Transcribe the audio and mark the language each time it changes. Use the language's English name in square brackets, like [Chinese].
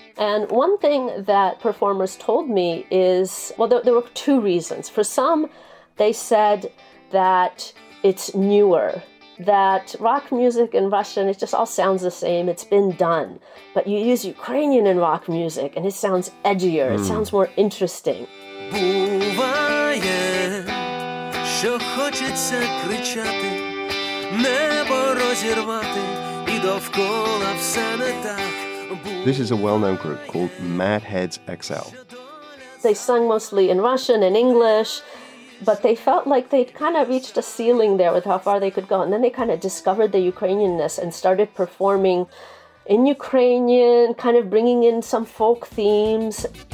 [English] And one thing that performers told me is, well, there were two reasons. For some, they said that it's newer, that rock music in Russian, it just all sounds the same. It's been done. But you use Ukrainian in rock music and it sounds edgier. Mm. It sounds more interesting. [Ukrainian] Буває, що хочеться кричати, небо розірвати, і довкола все не так. [English] This is a well-known group called Madheads XL. They sung mostly in Russian and English, but they felt like they'd kind of reached a ceiling there with how far they could go. And then they kind of discovered the Ukrainian-ness and started performing in Ukrainian, kind of bringing in some folk themes.